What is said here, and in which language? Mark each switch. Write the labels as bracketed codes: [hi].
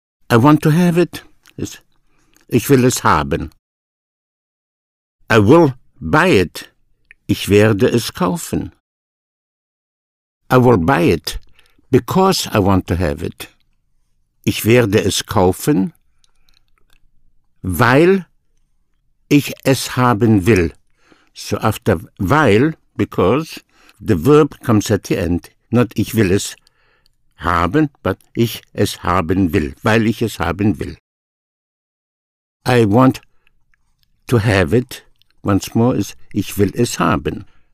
[en] I want to have it. [de] Ich will es haben. [en] I will buy it. [de] Ich werde es kaufen. [en] I will buy it because I want to have it. [de] Ich werde es kaufen, weil ich es haben will. [en] So after weil, because, the verb comes at the end. [de] Not ich will es haben, but ich es haben will, weil ich es haben will. [en] I want to have it, once more, is [de] ich will es haben.